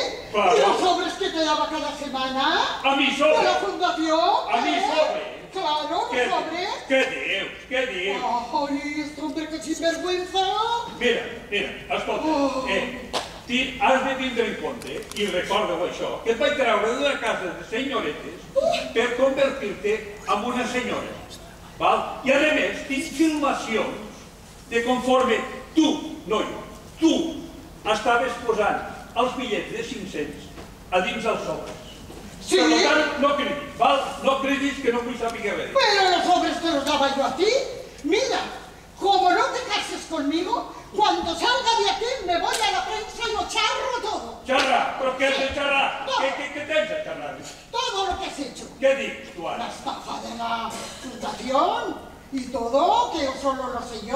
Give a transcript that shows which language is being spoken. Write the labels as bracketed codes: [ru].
[es] Claro. ¿Y los sobres que te daba cada semana? ¿A mi sobre? ¿De la fundación? ¿A mi sobre? Claro, ¿qué sobres? ¿Qué dios? ¿Qué dios? Ay, este hombre que sinvergüenza. [ca] Mira, mira, escolta, oh. Tí, has de tindre en compte, i recorda-ho això, que et vaig treure d'una casa de senyoretes per convertir-te en una senyora. Val? I a més, tinc filmacions de conforme tu, noi, tu, estaves posant els bitllets de 500 a dins dels sobres. Sí? Per tant, no cridis, val? No cridis que no vull saber res. Però [es] els sobres te los daba yo a ti. Mira, como no te cases conmigo, cuando salga de aquí me voy a la prensa y lo charro todo. ¿Charra? ¿Pero qué has de charrar? No. ¿Qué [ca] tens [es] de charrar? Todo lo que has hecho. ¿Qué dices tú [ca] ara? [es] La estafa de la fundación y todo, que yo solo lo sé yo.